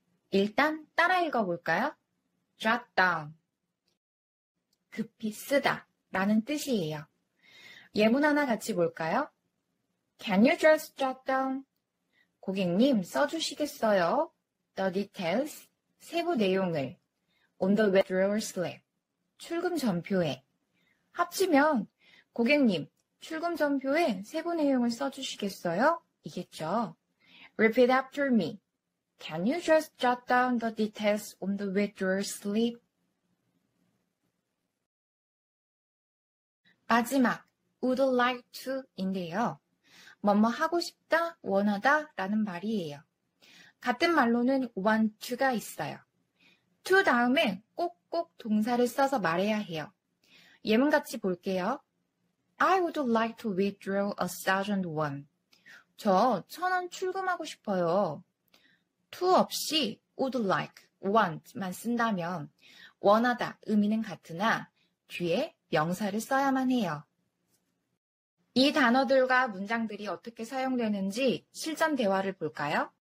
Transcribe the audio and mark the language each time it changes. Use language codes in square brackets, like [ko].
[ko] 일단 따라 읽어볼까요? [en] jot down. [ko] 급히 쓰다 라는 뜻이에요. 예문 하나 같이 볼까요? [en] Can you just jot down? [ko] 고객님, 써주시겠어요? [en] The details, [ko] 세부 내용을. [en] On the withdrawal slip, [ko] 출금 전표에. 합치면 고객님, 출금 전표에 세부 내용을 써주시겠어요? 이겠죠. [en] Repeat after me. Can you just jot down the details on the withdrawal slip? [ko] 마지막, [en] would like to [ko] 인데요. 뭐뭐 하고 싶다, 원하다 라는 말이에요. 같은 말로는 [en] want to [ko] 가 있어요. to 다음에 꼭꼭 동사를 써서 말해야 해요. 예문 같이 볼게요. [en] I would like to withdraw a thousand won. [ko] 저 1,000원 출금하고 싶어요. to 없이 would like, want만 쓴다면 원하다 의미는 같으나 뒤에 명사를 써야만 해요. 이 단어들과 문장들이 어떻게 사용되는지 실전 대화를 볼까요?